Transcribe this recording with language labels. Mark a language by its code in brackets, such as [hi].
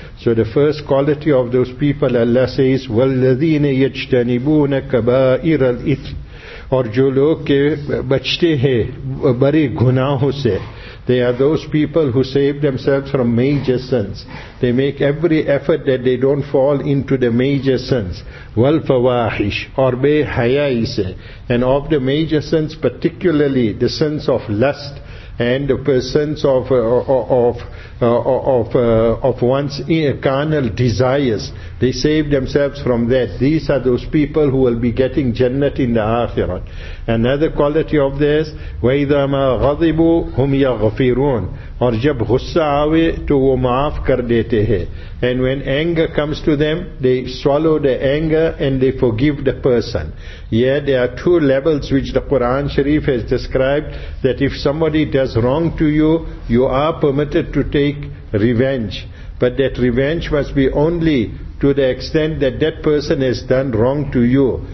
[en] So the first quality of those people, Allah says, [ar] وَالَّذِينَ يَجْتَنِبُونَ كَبَائِرَ الْإِثْمِ [ur] اور جو لوگ کے بچتے ہیں بڑے گناہوں سے. [en] They are those people who save themselves from major sins. They make every effort that they don't fall into the major sins. [ar] وَالْفَوَاحِشِ [ur] اور بے حیائی سے. [en] And of the major sins, particularly the sins of lust and the sins of one's carnal desires, they save themselves from that. These are those people who will be getting Jannah in the Akhirat. Another quality of this, [ar] وَإِذَا مَا غَضِبُوا هُمْ يَغْفِرُونَ [ur] اور جب غصہ آوے تو وہ معاف کر دیتے ہیں. [en] And when anger comes to them, they swallow the anger and they forgive the person. Yeah, there are two levels which the Quran Sharif has described, that if somebody does wrong to you, you are permitted to take revenge. But that revenge must be only to the extent that that person has done wrong to you.